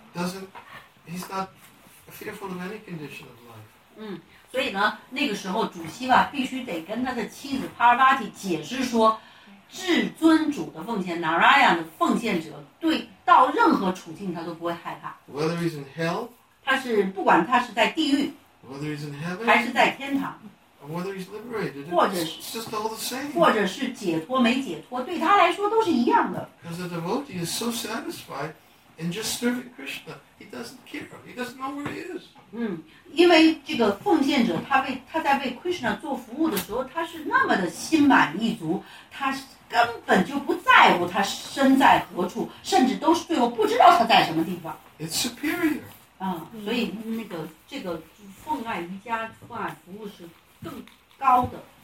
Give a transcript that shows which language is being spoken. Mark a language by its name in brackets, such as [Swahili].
[English] doesn't, he's not fearful of any condition of life. [Chinese] 所以呢，那个时候主席吧，必须得跟他的妻子帕尔巴提解释说，至尊主的奉献 ，Narayana 的奉献者，对到任何处境他都不会害怕。 [English] Whether he's in hell， [Chinese] 他是不管他是在地狱 [English] ，Whether he's in heaven， [Chinese] 还是在天堂 [English] ，Whether he's liberated， [Chinese] 或者是 [English] just all the same， [Chinese] 或者是解脱没解脱，对他来说都是一样的。 [English] Because the devotee is so satisfied in just serving Krishna, he doesn't care. He doesn't know where he is. [Chinese] 因为这个奉献者他在为 Krishna 做服务的时候他是那么的心满意足他根本就不在乎他身在何处甚至都是最后不知道他在什么地方 [English] It's superior [Chinese] 所以那个这个奉爱瑜伽奉爱服务是更高的